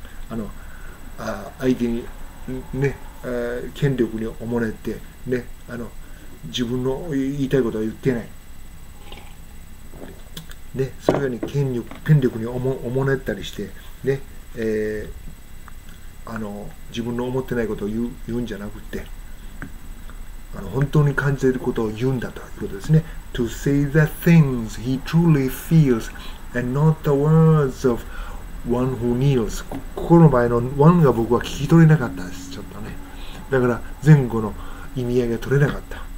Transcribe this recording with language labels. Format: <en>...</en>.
<ja>うん、相手に、ね、権力におもねて、ね、自分の言いたいことは言ってない。ね、そういうように権力におもねったりして、ね、自分の思ってないことを言うんじゃなくて、本当に感じていることを言うんだということですね。</ja> <en>To say the things he truly feels and not the words of one who kneels。</en> <ja>ここの場合の one が僕は聞き取れなかったです。ちょっとね、だから前後の意味合いが取れなかった。</ja>